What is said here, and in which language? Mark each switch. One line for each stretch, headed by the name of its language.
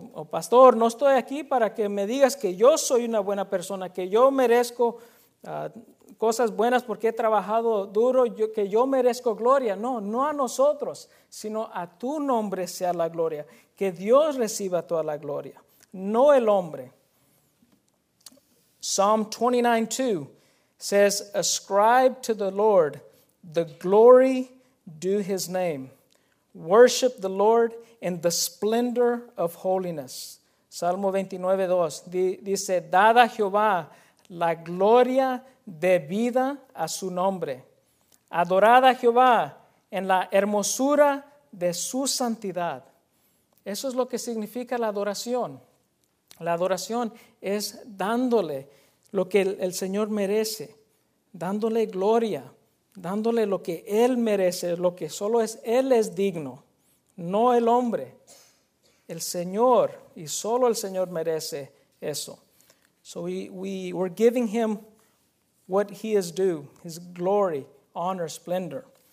Spanish: Pastor, no estoy aquí para que me digas que yo soy una buena persona, que yo merezco cosas buenas porque he trabajado duro, que yo merezco gloria. No a nosotros, sino a tu nombre sea la gloria, que Dios reciba toda la gloria, no el hombre.
English: Psalm 29:2 says, "Ascribe to the Lord the glory due his name. Worship the Lord in the splendor of holiness."
Spanish: Salmo 29:2 dice, "Dad a Jehová la gloria debida a su nombre. Adorad a Jehová en la hermosura de su santidad." Eso es lo que significa la adoración. La adoración es dándole lo que el Señor merece, dándole gloria, dándole lo que Él merece, lo que solo es Él es digno, no el hombre. El Señor, y solo el Señor merece eso.
English: So we're giving Him what He is due, His glory, honor, splendor.